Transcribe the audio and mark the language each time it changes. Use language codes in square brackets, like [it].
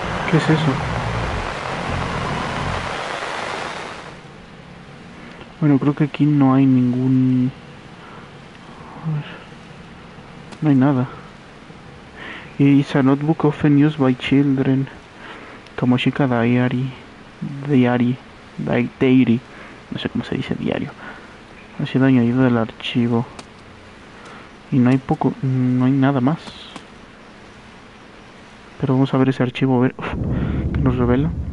[es] ¿Qué es eso? Bueno, creo que aquí no hay ningún... No hay nada. [en] It's a notebook often used by children. Tomoshika Diary. Diary. Diary. [es] No sé cómo se dice diario. Ha sido añadido del archivo. Y no hay poco... No hay nada más. Pero vamos a ver ese archivo, a ver qué nos revela.